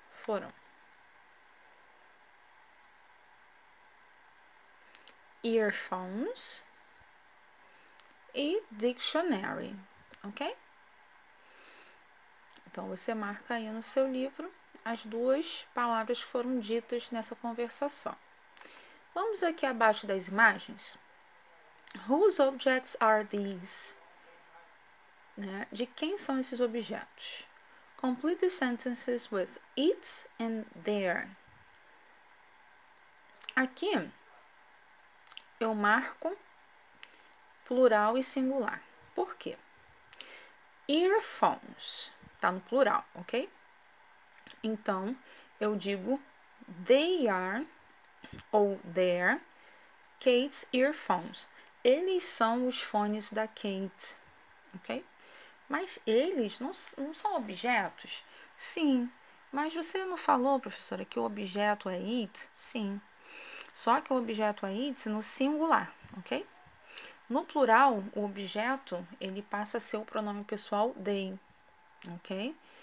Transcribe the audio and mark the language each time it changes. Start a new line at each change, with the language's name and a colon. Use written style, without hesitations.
Portuguese: Foram earphones e dictionary, ok? Então, você marca aí no seu livro as duas palavras que foram ditas nessa conversação. Vamos aqui abaixo das imagens.
English: Whose objects are these?
Portuguese: Né? De quem são esses objetos?
English: Complete sentences with its and their.
Portuguese: Aqui, eu marco plural e singular. Por quê? Earphones. Tá no plural, ok? Então, eu digo
English: they are
Portuguese: ou
English: they're Kate's earphones.
Portuguese: Eles são os fones da Kate, ok? Mas eles não são objetos? Sim. Mas você não falou, professora, que o objeto é it? Sim. Só que o objeto é it no singular, ok? No plural, o objeto, ele passa a ser o pronome pessoal they, ok?